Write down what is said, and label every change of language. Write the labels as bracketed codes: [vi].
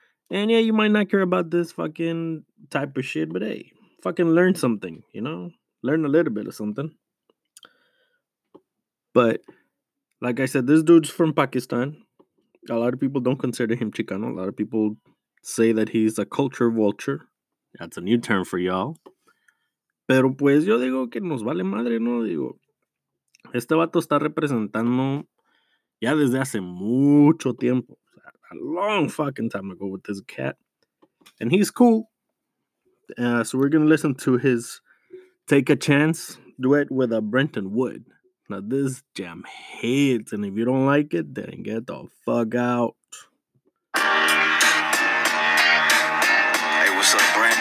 [en] And yeah, you might not care about this fucking type of shit, but hey, fucking learn something, you know? Learn a little bit of something. But, like I said, this dude's from Pakistan. A lot of people don't consider him Chicano. A lot of people say that he's a culture vulture. That's a new term for y'all. [es] Pero pues yo digo que nos vale madre, ¿no? Digo, este vato está representando ya desde hace mucho tiempo. [en] A long fucking time ago with this cat. And he's cool. So we're going to listen to his Take a Chance duet with Brenton Wood. Now this jam hits, and if you don't like it, then get the fuck out. Hey, what's up, Brandon?